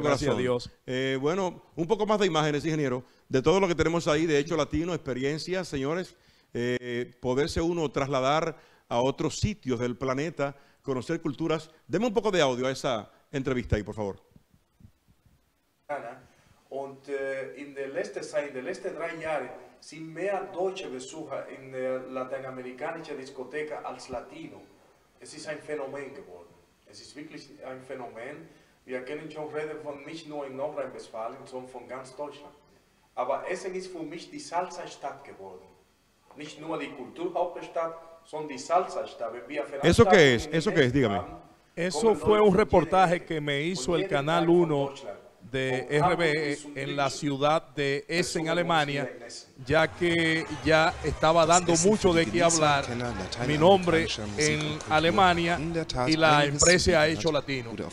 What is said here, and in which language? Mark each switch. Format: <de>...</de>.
<es>gracias corazón. Gracias a Dios. Bueno, un poco más de imágenes, ingeniero. De todo lo que tenemos ahí, de Hecho Latino, experiencias, señores. Poderse uno trasladar a otros sitios del planeta, conocer culturas. Deme un poco de audio a esa entrevista ahí, por favor.</es> <de>Ana, und in der letzte Zeit, in der letzten drei Jahre, sind mehr deutsche Besucher in der lateinamerikanischen Diskotheke als Latino. Es ist ein Phänomen geworden. Es ist wirklich ein Phänomen. Wir kennen schon Reden von nicht nur in Nordrhein-Westfalen, sondern von ganz Deutschland. Aber Essen ist für mich die Salsa-Stadt geworden. Nicht nur die Kulturhauptstadt, sondern die Salsa-Stadt.</de> <es>¿Eso qué es? ¿Eso qué es? Dígame. Eso fue un reportaje que me hizo el Canal 1 de RB en la ciudad de Essen, Alemania, ya que ya estaba dando mucho de qué hablar mi nombre en Alemania y la empresa ha Hecho Latino.</es>